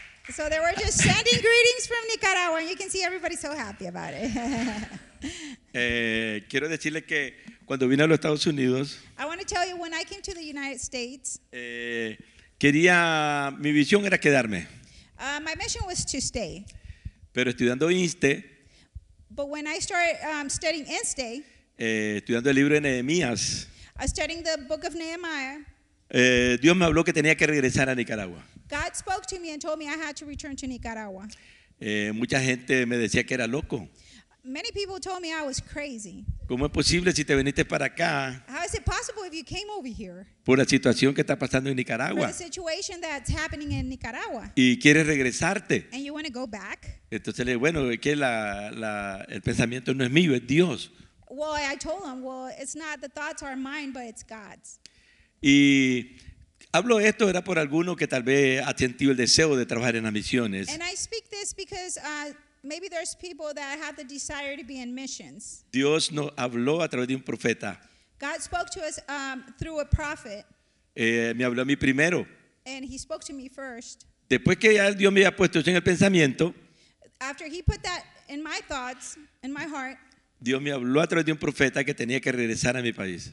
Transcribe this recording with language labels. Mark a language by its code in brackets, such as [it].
[en] So they were just sending greetings from Nicaragua, and you can see everybody's so happy about it. [es] Quiero decirle que cuando vine a los Estados Unidos, [en] I want to tell you when I came to the United States, [es] quería, mi visión era quedarme. [en] My mission was to stay. [es] Pero estudiando INSTE, [en] but when I started studying INSTE, [es] estudiando el libro de Nehemías, [en] I was studying the book of Nehemiah. [es] Dios me habló que tenía que regresar a Nicaragua. [en] God spoke to me and told me I had to return to Nicaragua. [es] Mucha gente me decía que era loco. [en] Many people told me I was crazy. [es] ¿Cómo es posible si te viniste para acá? [en] How is it possible if you came over here? [es] Por la situación que está pasando en Nicaragua. [en] For the situation that's happening in Nicaragua. [es] Y quieres regresarte. [en] And you want to go back. [es] Entonces le dije, bueno, es que el pensamiento no es mío, es Dios. [en] Well, I told him, well, it's not the thoughts are mine, but it's God's. [es] Y hablo esto era por alguno que tal vez ha sentido el deseo de trabajar en las misiones. [en] And I speak this because maybe there's people that have the desire to be in missions. [es] Dios nos habló a través de un profeta. [en] God spoke to us through a prophet. [es] Me habló a mí primero. [en] And he spoke to me first. [es] Después que ya Dios me había puesto eso en el pensamiento. [en] After he put that in my thoughts, in my heart. [es] Dios me habló a través de un profeta que tenía que regresar a mi país.